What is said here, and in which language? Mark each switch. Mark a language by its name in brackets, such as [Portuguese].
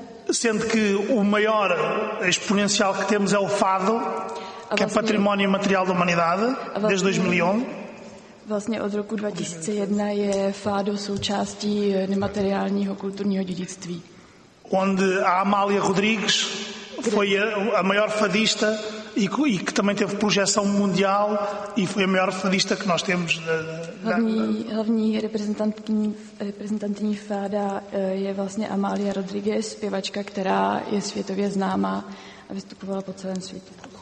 [Portuguese] Sendo que o maior exponencial que temos é o fado, que é património material da humanidade, desde 2001. [Czech] Vlastně od roku 2001 je fado součástí nemateriálního kulturního dědictví. [Portuguese] Onde a Amália Rodrigues foi a maior fadista e que também teve projeção mundial e foi a maior fadista que nós temos. [Czech] Hlavní reprezentantní fáda je vlastně Amália Rodrigues, zpěvačka, která je světově známá a vystupovala po celém světě.